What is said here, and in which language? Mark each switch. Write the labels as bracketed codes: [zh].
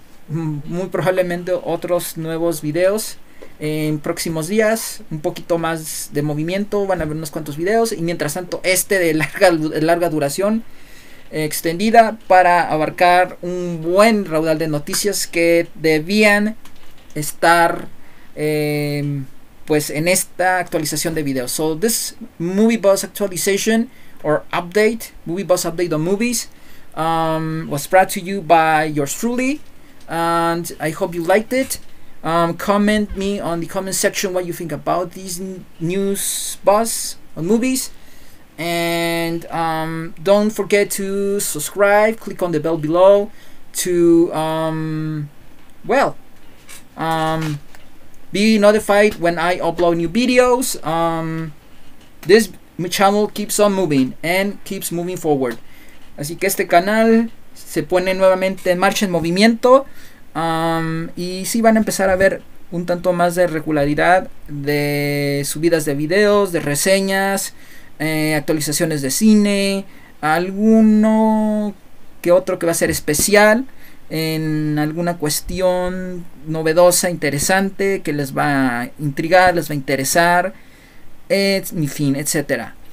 [es] muy probablemente otros nuevos videos en próximos días, un poquito más de movimiento, van a ver unos cuantos videos, y mientras tanto este de larga duración extendida, para abarcar un buen raudal de noticias que debían estar pues en esta actualización de videos. [en] So this movie buzz actualization or update, movie buzz update on movies, was brought to you by yours truly, and I hope you liked it. Comment me on the comment section what you think about these news buzz on movies, and don't forget to subscribe, click on the bell below to be notified when I upload new videos. This channel keeps on moving and keeps moving forward. [es] Así que este canal se pone nuevamente en marcha, en movimiento. Y sí van a empezar a ver un tanto más de regularidad de subidas de videos, de reseñas, actualizaciones de cine, alguno que otro que va a ser especial en alguna cuestión novedosa, interesante, que les va a intrigar, les va a interesar, en fin, etcétera.